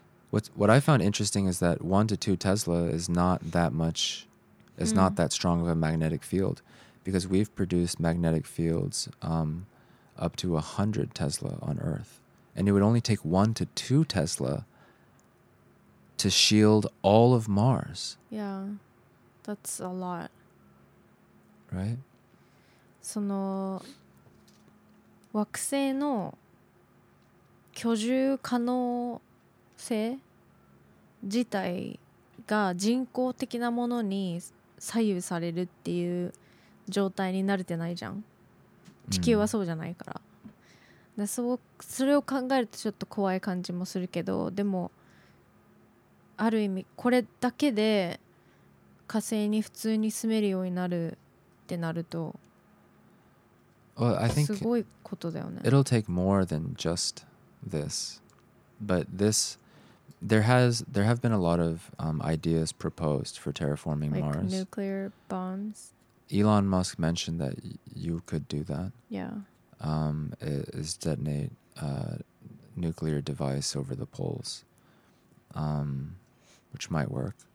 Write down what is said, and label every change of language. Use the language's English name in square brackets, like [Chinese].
[English] What I found interesting is that 1-2 Tesla is not that much, is not that strong of a magnetic field, because we've produced magnetic fields up to 100 Tesla on Earth, and it would only take 1-2 Tesla to shield all of Mars. Yeah, that's a lot. Right? [Japanese] その惑星の居住可能性自体が人工的なものに左右されるっていう状態になれてないじゃん。地球はそうじゃないから。で、それを考えるとちょっと怖い感じもするけど、でもある意味これだけで火星に普通に住めるようになるってなるとすごいことだよね。 [English] It'll take more than just this. But this... There have been a lot of ideas proposed for terraforming like Mars. Like nuclear bombs? Elon Musk mentioned that you could do that. Yeah. Is detonate a nuclear device over the poles, which might work.